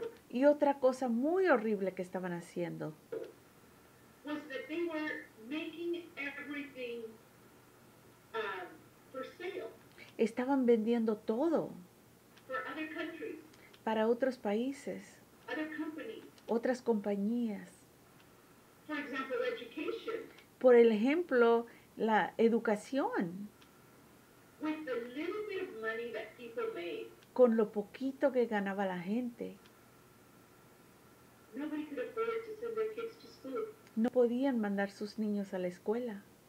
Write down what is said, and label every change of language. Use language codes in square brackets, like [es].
[es] Y otra cosa muy horrible que estaban haciendo. [en] Was that they were making everything, for sale. [es] Estaban vendiendo todo. [en] For other countries. [es] Para otros países. [en] Other companies. [es] Otras compañías. [en] For example, education. [es] Por ejemplo, la educación. [en] With the little bit of money that people made. [es] Con lo poquito que ganaba la gente. [en] Nobody could afford to send their kids to school. [es] No podían mandar sus niños a la escuela.